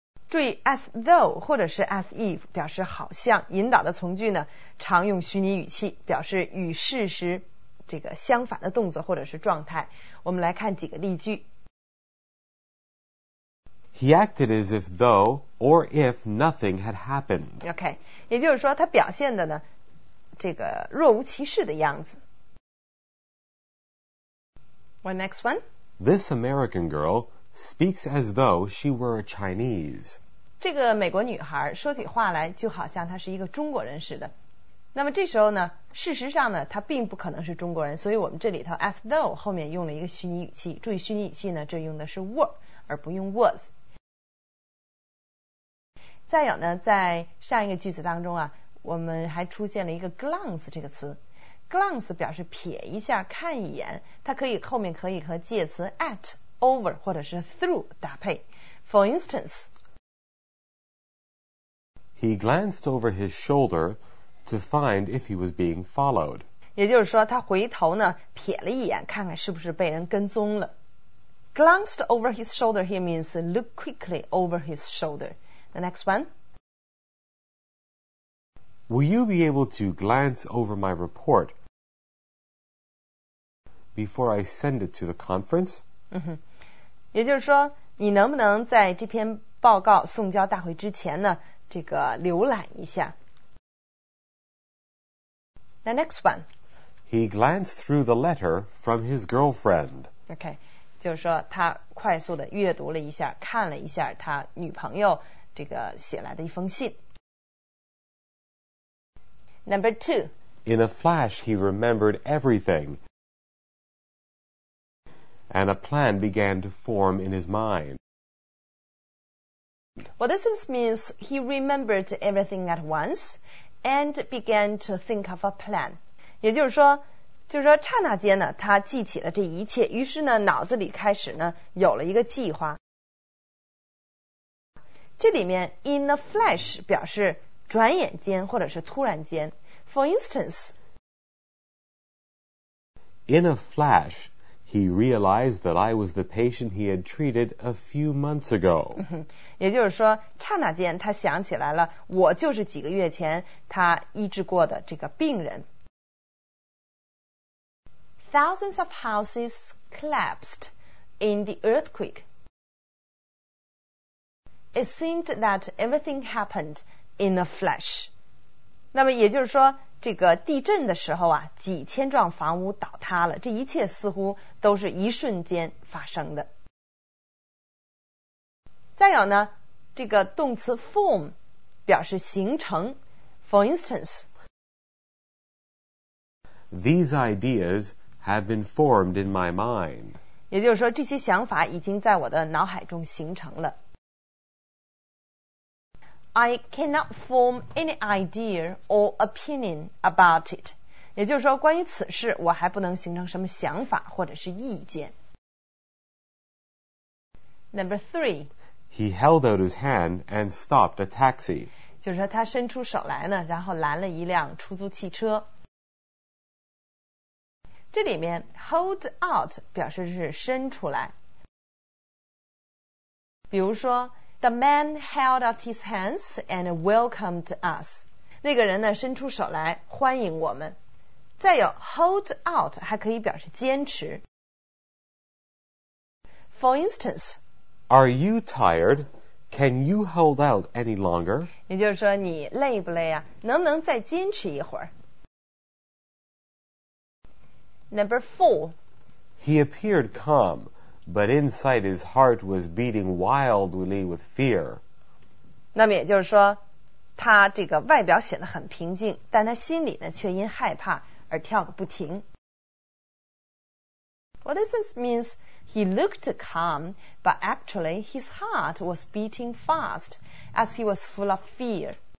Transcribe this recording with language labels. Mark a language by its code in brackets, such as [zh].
[zh] 注意 as though 或者是 as if 表示好像，引导的从句呢，常用虚拟语气，表示与事实这个相反的动作或者是状态。我们来看几个例句。 [en] He acted as if though or if nothing had happened. [zh] Okay, 也就是说他表现的呢这个若无其事的样子。 [en] What next one? This American girl speaks as though she were a Chinese. [zh] 这个美国女孩说起话来就好像她是一个中国人似的。那么这时候呢事实上呢她并不可能是中国人，所以我们这里头 as though 后面用了一个虚拟语气。注意虚拟语气呢这用的是 were 而不用 was。再有呢在上一个句子当中啊我们还出现了一个 glance 这个词。 glance 表示瞥一下看一眼，它可以后面可以和介词 at, over 或者是 through 搭配。 [en] For instance, He glanced over his shoulder to find if he was being followed. [zh] 也就是说他回头呢瞥了一眼看看是不是被人跟踪了。 [en] glanced over his shoulder here means look quickly over his shoulder. The next one. Will you be able to glance over my report before I send it to the conference? [zh] 也就是说，你能不能在这篇报告送交大会之前呢，这个浏览一下。 [en] The next one. He glanced through the letter from his girlfriend. [zh] Okay, 就是说他快速地阅读了一下，看了一下他女朋友这个写来的一封信。 [en] Number 2. In a flash, he remembered everything, and a plan began to form in his mind. Well, this just means he remembered everything at once and began to think of a plan. [zh] 也就是说，刹那间呢，他记起了这一切，于是呢，脑子里开始呢，有了一个计划。这里面 in a flash 表示转眼间或者是突然间。 [en] For instance, In a flash, he realized that I was the patient he had treated a few months ago. [zh] 也就是说刹那间他想起来了我就是几个月前他医治过的这个病人。 [en] Thousands of houses collapsed in the earthquake. It seemed that everything happened in a flash. [zh] 那么也就是说这个地震的时候啊几千幢房屋倒塌了这一切似乎都是一瞬间发生的。再有呢这个动词 form 表示形成。 [en] For instance, These ideas have been formed in my mind. [zh] 也就是说这些想法已经在我的脑海中形成了。 [en] I cannot form any idea or opinion about it. [zh] 也就是说关于此事我还不能形成什么想法或者是意见。 [en] Number three, he held out his hand and stopped a taxi. [zh] 就是说他伸出手来呢，然后拦了一辆出租汽车。这里面 hold out 表示是伸出来。比如说 [en] ，the man held out his hands and welcomed us. [zh] 那个人呢伸出手来欢迎我们。再有 hold out 还可以表示坚持。 [en] For instance. Are you tired? Can you hold out any longer? [zh] 也就是说你累不累啊？能不能再坚持一会儿？ [en] Number four. He appeared calm, but inside his heart was beating wildly with fear. [zh] 那么也就是说，他这个外表显得很平静，但他心里呢却因害怕而跳个不停。 [en] What this means? He looked calm, but actually his heart was beating fast as he was full of fear.